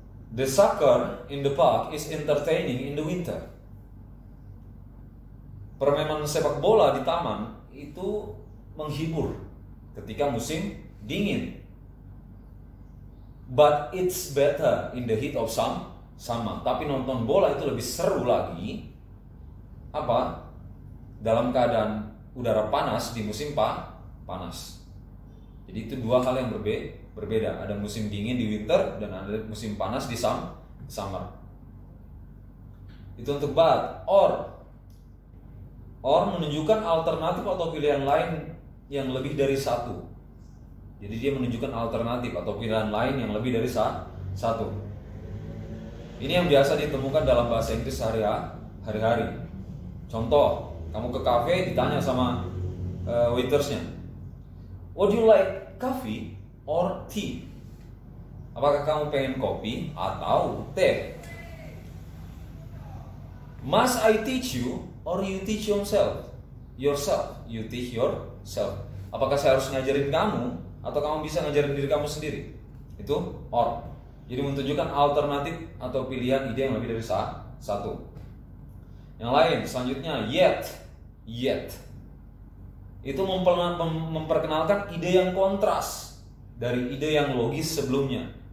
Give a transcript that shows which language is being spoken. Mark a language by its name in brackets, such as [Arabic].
[English] The soccer in the park is entertaining in the winter. [Indonesian] Permainan sepak bola di taman itu menghibur ketika musim dingin. [English] But it's better in the heat of summer. [Indonesian] Tapi nonton bola itu lebih seru lagi apa? Dalam keadaan udara panas di musim panas. Jadi itu dua hal yang berbeda. Ada musim dingin di winter dan ada musim panas di summer. Itu untuk but. Or menunjukkan alternatif atau pilihan lain yang lebih dari satu. Jadi dia menunjukkan alternatif atau pilihan lain yang lebih dari satu. Ini yang biasa ditemukan dalam bahasa Inggris hari-hari. Contoh, kamu ke kafe ditanya sama waitersnya, [English] "Would you like coffee or tea?" [Indonesian] Apakah kamu pengen kopi atau teh? [English] "Must I teach you or you teach yourself?" Yourself, you teach yourself. [Indonesian] Apakah saya harus ngajarin kamu atau kamu bisa ngajarin diri kamu sendiri? Itu or. Jadi menunjukkan alternatif atau pilihan ide yang lebih dari satu. Yang lain, selanjutnya, yet. Itu memperkenalkan ide yang kontras dari ide yang logis sebelumnya.